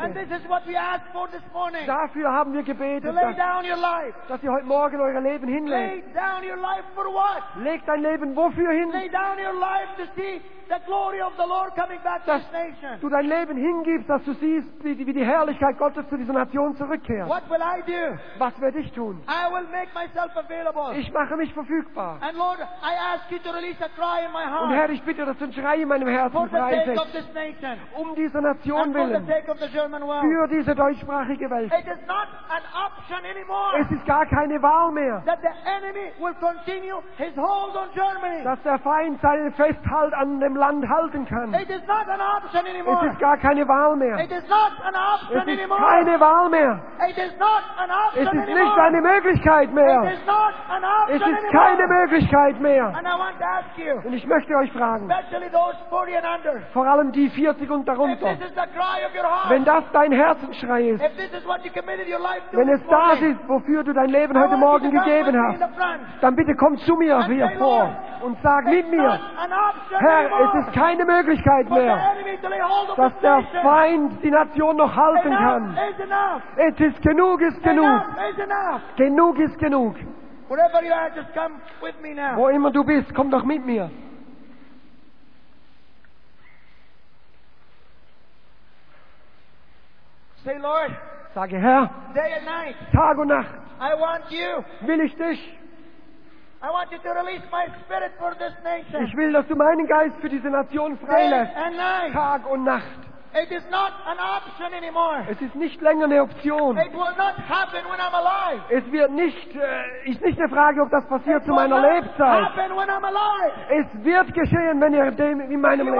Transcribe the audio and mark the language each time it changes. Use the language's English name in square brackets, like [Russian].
[English] And this is what we asked for this morning. [German] Dafür haben wir gebetet, [English] to lay down your life. [German] Dass ihr heute Morgen euer Leben hinlegt. [English] Lay down your life for what? [German] Legt dein Leben wofür hin? [English] Lay down your life to see the glory of the Lord coming back to this nation. [German] Dass du dein Leben hingibst, dass du siehst, wie die Herrlichkeit Gottes zu dieser Nation zurückkehrt. [English] What will I do? [German] Was werde ich tun? [English] I will make myself available. [German] Ich mache mich verfügbar. [English] And Lord, I ask you to release a cry in my heart. [German] Und Herr, ich bitte, dass du ein Schrei in meinem Herzen [English] for [German] Reiches, um diese Nation willen, für diese deutschsprachige Welt. [English] It is not an option anymore, [German] es ist gar keine Wahl mehr, [English] that the enemy will continue his hold on Germany. [German] Dass der Feind seinen Festhalt an dem Land halten kann. [English] It is not an option anymore. [German] Es ist gar keine Wahl mehr. [English] It is not an option [German] es ist [English] anymore. [German] Keine Wahl mehr. [English] It is not an option [German] es ist [English] anymore. [German] Nicht eine Möglichkeit mehr. [English] It is not an option [German] es ist [English] anymore. [German] Keine Möglichkeit mehr. [English] And I want to ask you, [German] und ich möchte euch fragen, [English] especially those 40 and under, [German] vor allem die 40 und darunter, [English] if this is the cry of your heart, [German] wenn das dein Herzensschrei ist, [English] if this is what you committed your life to, [German] wenn es das ist, wofür du dein Leben heute Morgen gegeben hast, dann bitte komm zu mir hier vor und sag mit mir, Herr, es ist keine Möglichkeit mehr, dass der Feind die Nation noch halten kann. Es ist genug, ist genug. Genug ist genug. Wo immer du bist, komm doch mit mir. [English] Say, Lord, [German] sage, Herr, [English] day and night, [German] Tag und Nacht, [English] I want you, [German] will ich dich. [English] I want you to release my spirit for this nation. [German] Ich will, dass du meinen Geist für diese Nation freilässt. [English] Day and night. [German] Tag und Nacht. [English] It is not an option anymore. [German] Es ist nicht länger eine Option. [English] It will not happen when I'm alive. [German] Es wird nicht, ist nicht eine Frage, ob das passiert [English] it [German] zu meiner [English] will not [German] Lebzeit. [English] Happen when I'm alive. [German] Es wird geschehen, wenn ihr dem in meinem